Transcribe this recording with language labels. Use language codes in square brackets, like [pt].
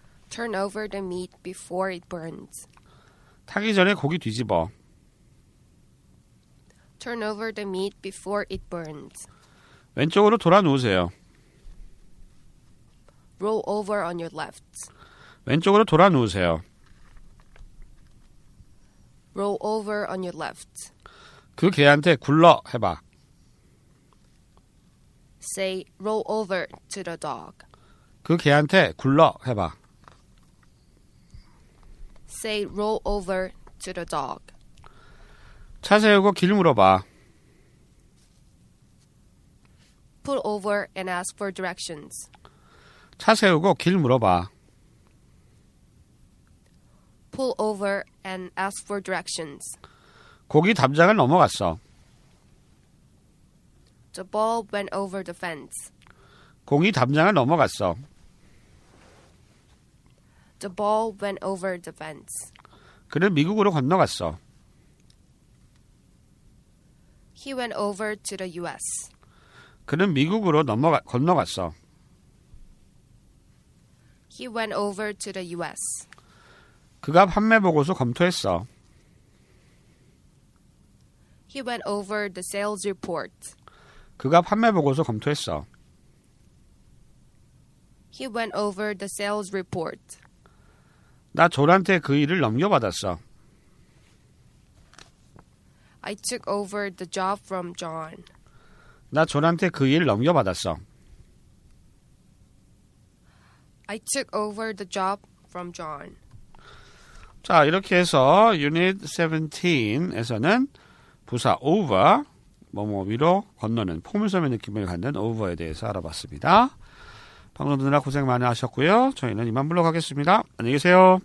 [en] Turn over the meat before it burns. [ko] 타기 전에 고기 뒤집어. [en] Turn over the meat before it burns. [ko] 왼쪽으로 돌아 누우세요. [en] Roll over on your left. [ko] 왼쪽으로 돌아 누우세요. [en] Roll over on your left. [ko] 그 개한테 굴러 해봐. [en] Say roll over to the dog. [ko] 그 개한테 굴러 해봐. [en] Say roll over to the dog. [ko] 차 세우고 길 물어봐. [en] Pull over and ask for directions. [ko] 차 세우고 길 물어봐. [en] Pull over and ask for directions. [ko] 고기 담장을 넘어갔어. [en] The ball went over the fence. [ko] 공이 담장을 넘어갔어. [en] The ball went over the fence. [ko] 그는 미국으로 건너갔어. [en] He went over to the U.S. [ko] 그는 미국으로 건너갔어. [en] He went over to the U.S. [ko] 그가 판매 보고서 검토했어. [en] He went over the sales report. [ko] 그가 판매 보고서 검토했어. [en] He He went over the sales report. [ko] 나 졸한테 그 일을 넘겨받았어. [en] I took over the job from John. [ko] 나 존한테 그 일을 넘겨받았어. [en] I took over the job from John. [ko] 자, 이렇게 해서 Unit 17에서는 부사 over, 뭐뭐 위로 건너는 포물섬의 느낌을 갖는 over에 대해서 알아봤습니다. 방송 듣느라 고생 많이 하셨고요. 저희는 이만 물러가겠습니다. 안녕히 계세요.